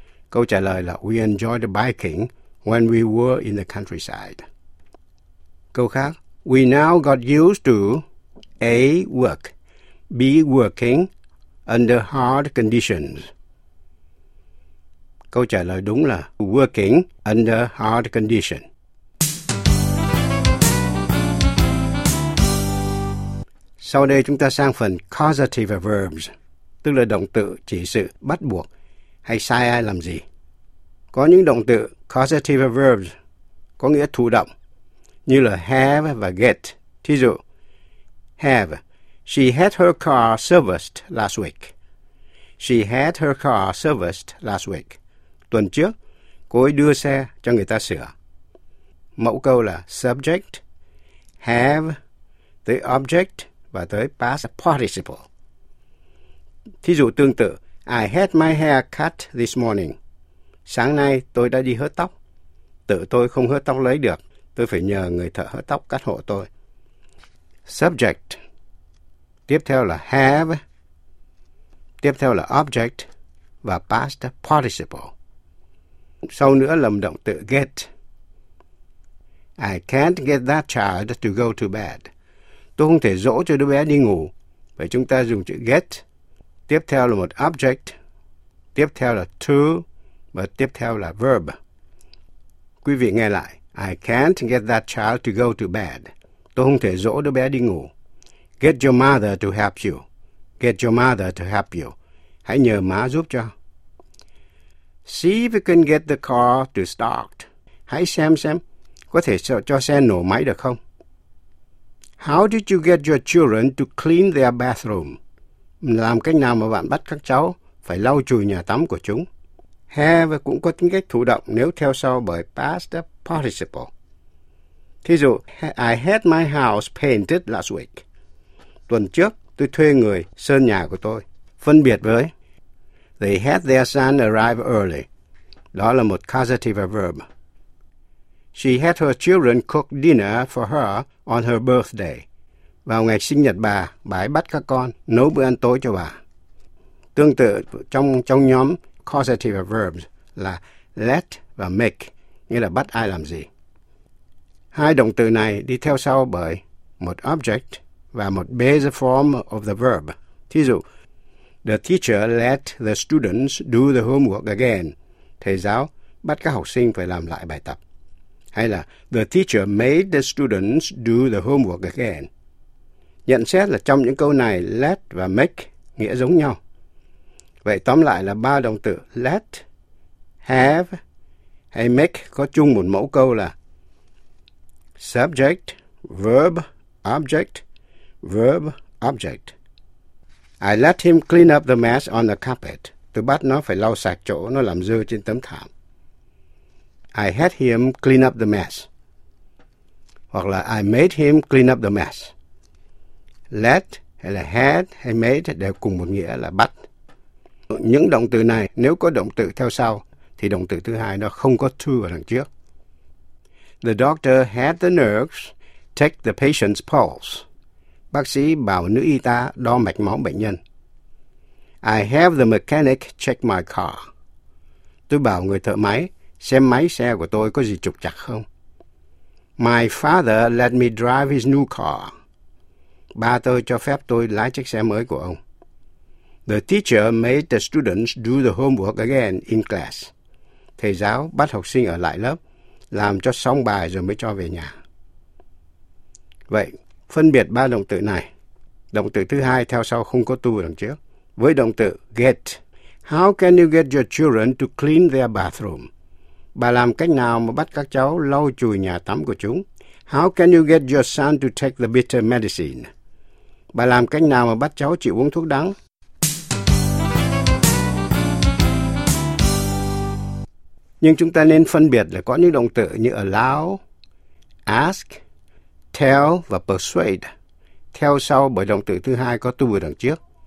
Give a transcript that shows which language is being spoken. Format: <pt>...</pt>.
<vi>Câu trả lời là</vi> <en>we enjoyed biking when we were in the countryside.</en> <vi>Câu khác.</vi> <en>We now got used to A. Work. B. Working under hard conditions.</en> <vi>Câu trả lời đúng là</vi> <en>working under hard condition.</en> <vi>Sau đây chúng ta sang phần causative verbs, tức là động từ chỉ sự bắt buộc hay sai ai làm gì. Có những động từ causative verbs có nghĩa thụ động như là have và get. Thí dụ,</vi> <en>have, she had her car serviced last week. She had her car serviced last week.</en> <vi>Tuần trước, cô ấy đưa xe cho người ta sửa. Mẫu câu là subject, have, the object và tới past participle. Thí dụ tương tự,</vi> <en>I had my hair cut this morning.</en> <vi>Sáng nay tôi đã đi hớt tóc. Tự tôi không hớt tóc lấy được, tôi phải nhờ người thợ hớt tóc cắt hộ tôi. Subject. Tiếp theo là have. Tiếp theo là object và past participle. Sau nữa là động từ get.</vi> <en>I can't get that child to go to bed.</en> <vi>Tôi không thể dỗ cho đứa bé đi ngủ. Vậy chúng ta dùng chữ get. Tiếp theo là một object. Tiếp theo là to. Và tiếp theo là verb. Quý vị nghe lại.</vi> <en>I can't get that child to go to bed.</en> <vi>Tôi không thể dỗ đứa bé đi ngủ.</vi> <en>Get your mother to help you. Get your mother to help you.</en> <vi>Hãy nhờ má giúp cho.</vi> <en>See if you can get the car to start.</en> <vi>Hãy xem. Có thể cho xe nổ máy được không?</vi> <en>How did you get your children to clean their bathroom?</en> <vi>Làm cách nào mà bạn bắt các cháu phải lau chùi nhà tắm của chúng? Have cũng có tính cách thụ động nếu theo sau bởi past participle. Thí dụ,</vi> <en>I had my house painted last week.</en> <vi>Tuần trước, tôi thuê người sơn nhà của tôi. Phân biệt với,</vi> <en>they had their son arrive early.</en> <vi>Đó là một causative verb.</vi> <en>She had her children cook dinner for her on her birthday.</en> <vi>Vào ngày sinh nhật bà ấy bắt các con nấu bữa ăn tối cho bà. Tương tự trong nhóm causative verbs là let và make, nghĩa là bắt ai làm gì. Hai động từ này đi theo sau bởi một object và một base form of the verb. Thí dụ,</vi> <en>the teacher let the students do the homework again.</en> <vi>Thầy giáo bắt các học sinh phải làm lại bài tập. Hay là</vi> <en>the teacher made the students do the homework again.</en> <vi>Nhận xét là trong những câu này, let và make nghĩa giống nhau. Vậy tóm lại là ba động từ let, have hay make có chung một mẫu câu là subject, verb, object, verb, object.</vi> <en>I let him clean up the mess on the carpet.</en> <vi>Tôi bắt nó phải lau sạch chỗ nó làm dơ trên tấm thảm.</vi> <en>I had him clean up the mess.</en> <vi>Hoặc là</vi> <en>I made him clean up the mess.</en> <vi>Let hay là had hay made đều cùng một nghĩa là bắt. Những động từ này nếu có động từ theo sau thì động từ thứ hai nó không có to ở đằng trước.</vi> <en>The doctor had the nurse take the patient's pulse.</en> <vi>Bác sĩ bảo nữ y tá đo mạch máu bệnh nhân.</vi> <en>I have the mechanic check my car.</en> <vi>Tôi bảo người thợ máy xem máy xe của tôi có gì trục trặc không.</vi> <en>My father let me drive his new car.</en> <vi>Ba tôi cho phép tôi lái chiếc xe mới của ông.</vi> <en>The teacher made the students do the homework again in class.</en> <vi>Thầy giáo bắt học sinh ở lại lớp, làm cho xong bài rồi mới cho về nhà. Vậy, phân biệt ba động từ này. Động từ thứ hai theo sau không có to đằng trước. Với động từ</vi> <en>get, how can you get your children to clean their bathroom?</en> <vi>Bà làm cách nào mà bắt các cháu lau chùi nhà tắm của chúng?</vi> <en>How can you get your son to take the bitter medicine?</en> <vi>Bà làm cách nào mà bắt cháu chịu uống thuốc đắng? Nhưng chúng ta nên phân biệt là có những động từ như allow, ask, tell và persuade. Theo sau bởi động từ thứ hai có to ở đằng trước.</vi>